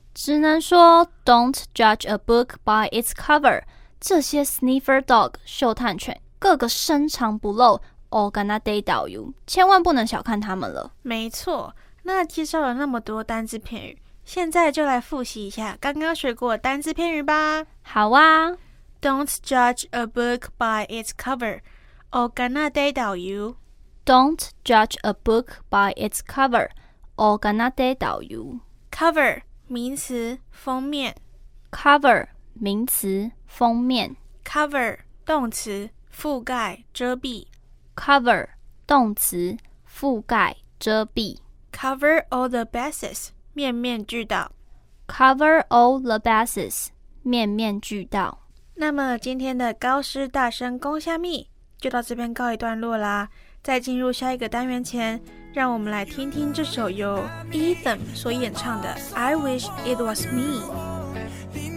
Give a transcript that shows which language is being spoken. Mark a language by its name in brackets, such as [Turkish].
[Chinese] 只能说 [English] don't judge a book by its cover， [Chinese] 这些 sniffer dog 嗅探犬个个深藏不露 all gonna day 导游，千万不能小看他们了。没错，那介绍了那么多单字片语，现在就来复习一下刚刚学过单字片语吧。好啊。 [English] Don't judge a book by its cover or gonna day 导游。 Don't judge a book by its cover or gonna day 导游。 [Chinese] Cover 名词封面。 Cover 名词封面。 Cover 动词覆盖遮蔽。 Cover 动词覆盖遮蔽。 [English] Cover all the bases面面俱到。 Cover all the bases 面面俱到。 [Chinese] 那么今天的高师大声公虾蜜就到这边告一段落啦，在进入下一个单元前，让我们来听听这首由 Ethan 所演唱的 I Wish It Was Me。